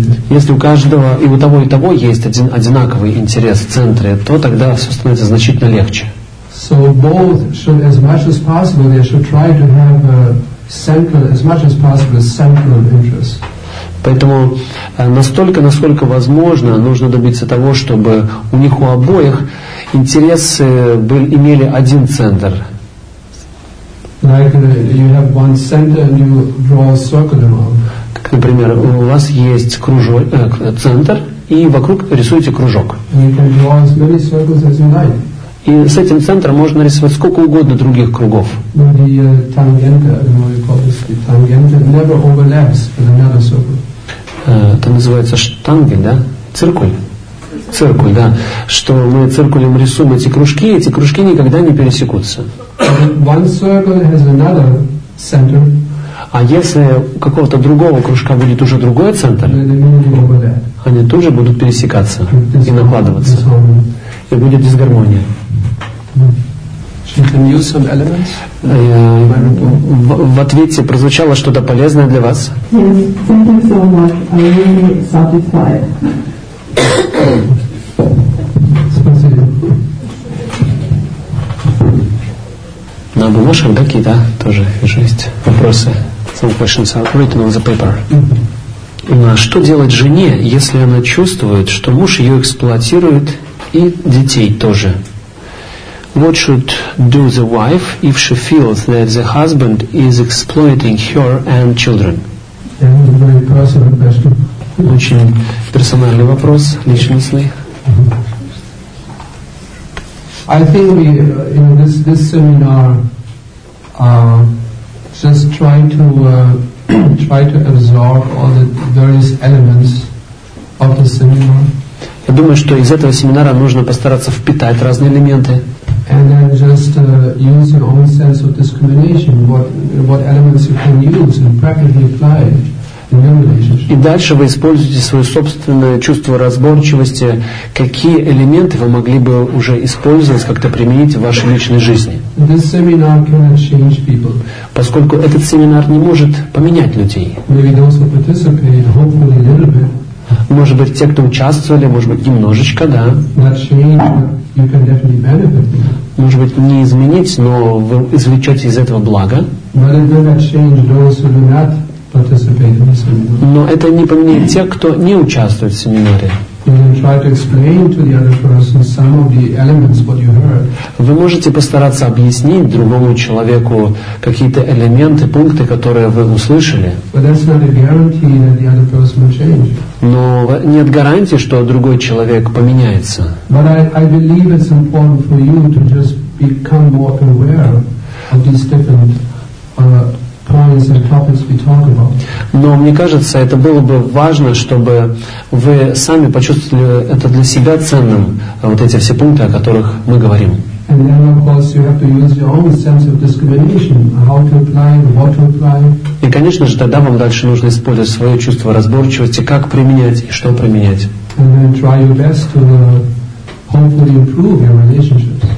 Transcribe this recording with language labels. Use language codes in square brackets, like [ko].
[ru] Если у каждого и у того есть один одинаковый интерес в центре, то тогда все становится значительно легче. [en] So both should, as much as possible, they should try to have a central, as much as possible, a central interest. [ru] Поэтому настолько, насколько возможно, нужно добиться того, чтобы у них у обоих интересы были, имели один центр. [en] Like you have one center and you draw a circle around. [ru] Как, например, у вас есть кружок, центр, и вокруг рисуете кружок. [en] You can draw as many circles as you like. [ru] И с этим центром можно рисовать сколько угодно других кругов. [en] But the tangente, I don't know what you call this, the tangente never overlaps with another circle. [ru] Это называется штангель, да? Циркуль. Циркуль, да. Что мы циркулем рисуем эти кружки никогда не пересекутся. [en] One circle has another center. [ru] А если у какого-то другого кружка будет уже другой центр, они тоже будут пересекаться и накладываться. И будет дисгармония. В ответе прозвучало что-то полезное для вас? [en] Yes, thank you so much. I'm really satisfied. [ru] На бумажках какие-то тоже есть вопросы. [en] Some questions are written on the paper. [ru] Что делать жене, если она чувствует, что муж ее эксплуатирует и детей тоже? [en] What should do the wife if she feels that the husband is exploiting her and children? That's a very personal question. [ru] Очень персональный вопрос, личностный. [en] I think we, you know, this seminar just try to absorb all the various elements of the seminar. [ru] Я думаю, что из этого семинара нужно постараться впитать разные элементы. [en] And then just use your own sense of discrimination, what elements you can use and practically apply in your relationship. [ru] И дальше вы используете свое собственное чувство разборчивости, какие элементы вы могли бы уже использовать, как-то применить в вашей личной жизни. [en] This seminar cannot change people. [ru] Поскольку этот семинар не может поменять людей. [en] Maybe those who participate, hopefully a little bit. [ru] Может быть, те, кто участвовали, может быть, немножечко, да. [en] Not change, you can definitely benefit. [ru] Может быть, не изменить, но вы извлечете из этого благо. [en] But it will not change those who do not participate in the seminar. [ru] Но это не поменяет тех, кто не участвует в семинаре. [en] You can try to explain to the other person some of the elements what you heard. [ru] Вы можете постараться объяснить другому человеку какие-то элементы, пункты, которые вы услышали. [en] But that's not a guarantee that the other person will change. [ru] Но нет гарантии, что другой человек поменяется. [en] But I believe it's important for you to just become more aware of these different points and topics we talk about. [ru] Но мне кажется, это было бы важно, чтобы вы сами почувствовали это для себя ценным, вот эти все пункты, о которых мы говорим. [en] And then of course you have to use your own sense of discrimination, how to apply, what to apply. [ru] И, конечно же, тогда вам дальше нужно использовать свое чувство разборчивости, как применять и что применять. [en] And then try your best to hopefully improve your relationships.